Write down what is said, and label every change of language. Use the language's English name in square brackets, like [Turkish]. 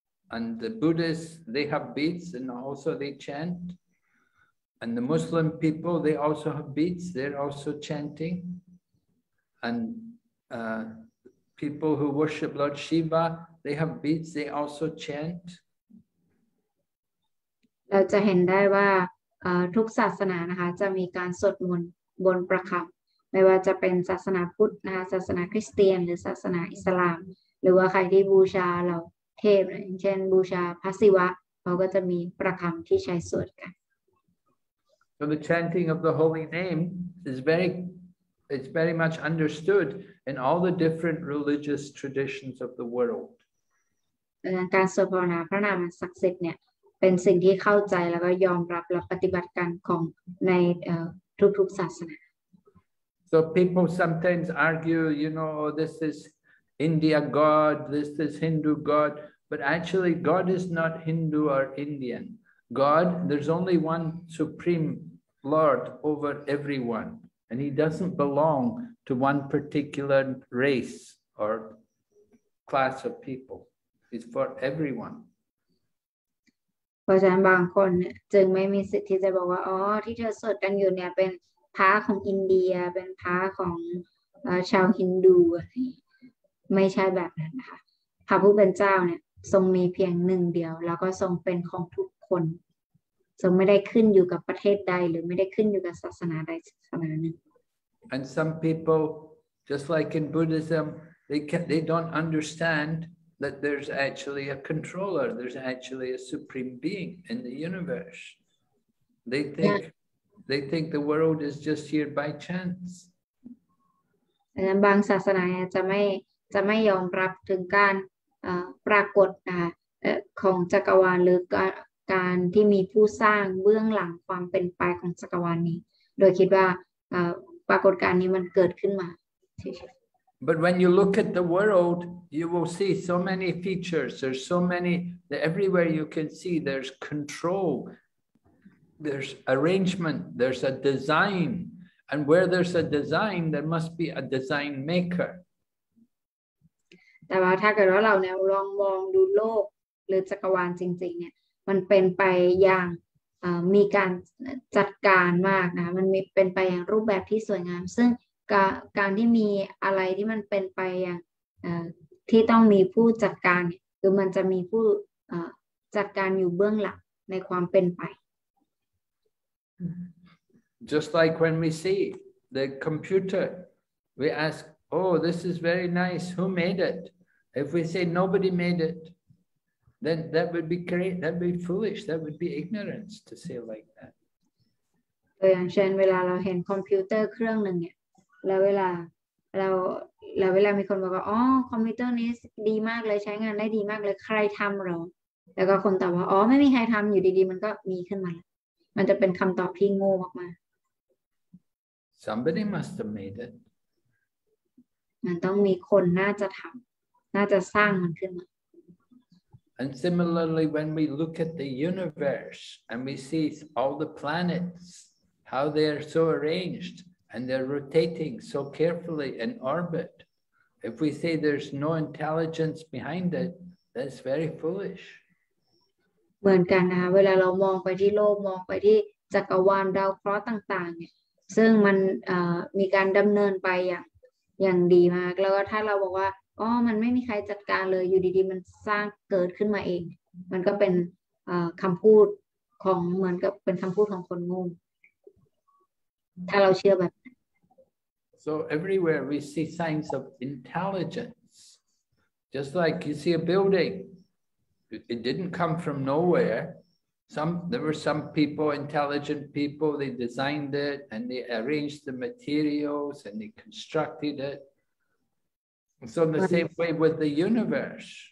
[English] And the Buddhists, they have beads and also they chant. And the Muslim people, they also have beads. They're also chanting. And people who worship Lord Shiva, they have beads. They also chant. [Thai] เราจะเห็นได้ว่าทุกศาสนานะคะจะมีการสวดมนต์บนประคำไม่ว่าจะเป็นศาสนาพุทธนะคะศาสนาคริสเตียนหรือศาสนาอิสลามหรือว่าใครที่บูชาเหล่าเทพอย่างเช่นบูชาพระศิวะเขาก็จะมีประคำที่ใช้สวดกัน [English] So the chanting of the holy name is very much understood in all the different religious traditions of the world [Thai] การสวดภาวนาพระนามศักดิ์สิทธิ์เนี่ยเป็นสิ่งที่เข้าใจแล้วก็ยอมรับและปฏิบัติกันของในทุกๆศาสนา [English] So people sometimes argue, you know, this is India God, this is Hindu God, but actually God is not Hindu or Indian. God, there's only one supreme Lord over everyone, and he doesn't belong to one particular race or class of people. It's for everyone. [Thai] เพราะฉะนั้นบางคนจึงไม่มีสิทธิ์ที่จะบอกว่าอ๋อที่เธอสวดกันอยู่เนี่ยเป็นพระของอินเดียเป็นพระของชาวฮินดูไม่ใช่แบบนั้นนะคะพระผู้เป็นเจ้าเนี่ยทรงมีเพียงหนึ่งเดียวแล้วก็ทรงเป็นของทุกคนทรงไม่ได้ขึ้นอยู่กับประเทศใดหรือไม่ได้ขึ้นอยู่กับศาสนาใดศาสนาหนึ่ง [English] And some people just like in Buddhism they don't understandthat there's actually a controller, there's actually a supreme being in the universe. They think They think the world is just here by chance. [Thai] ดังนั้นบางศาสนาจะไม่ยอมรับถึงการปรากฏของจักรวาลหรือการที่มีผู้สร้างเบื้องหลังความเป็นไปของจักรวาลนี้โดยคิดว่าปรากฏการณ์นี้มันเกิดขึ้นมา [English] But when you look at the world, you will see so many features. There's so many that everywhere you can see there's control, there's arrangement, there's a design. And where there's a design, there must be a design maker. [Thai] แต่ว่าถ้าเกิดว่าเราเนี่ยลองมองดูโลกหรือจักรวาลจริงๆเนี่ยมันเป็นไปอย่างมีการจัดการมากนะมันเป็นไปอย่างรูปแบบที่สวยงามซึ่งการที่มีอะไรที่มันเป็นไปอย่างที่ต้องมีผู้จัดการเนี่ยคือมันจะมีผู้จัดการอยู่เบื้องหลังในความเป็นไป [English] Just like when we see the computer we ask oh this is very nice who made it if we say nobody made it then that would be great that would be foolish that would be ignorance to say like that [Thai] ตัวอย่างเช่นเวลาเราเห็นคอมพิวเตอร์เครื่องนึงเนี่ยแล้วเวลาเวลามีคนบอกว่าอ๋อคอมพิวเตอร์นี้ดีมากเลยใช้งานได้ดีมากเลยใครทำหรอแล้วก็คนตอบว่าอ๋อไม่มีใครทำอยู่ดีๆมันก็มีขึ้นมามันจะเป็นคำตอบที่โง่มากๆ [English] Somebody must have made it [Thai] มันต้องมีคนน่าจะทำน่าจะสร้างมันขึ้นมา [English] And similarly when we look at the universe and we see all the planets how they are so arrangedAnd they're rotating so carefully in orbit. If we say there's no intelligence behind it, that's very foolish. [Thai] เหมือนกันนะเวลาเรามองไปที่โลกมองไปที่จักรวาลดาวเคราะห์ต่างๆเนี่ยซึ่งมันมีการดำเนินไปอย่างดีมากแล้วก็ถ้าเราบอกว่าอ๋อมันไม่มีใครจัดการเลยอยู่ดีๆมันสร้างเกิดขึ้นมาเองมันก็เป็นคำพูดของเหมือนกับเป็นคำพูดของคนงงถ้าเราเชื่อแบบ [English] So everywhere we see signs of intelligence just like you see a building it didn't come from nowhere there were some people intelligent people they designed it and they arranged the materials and they constructed it so in the same way with the universe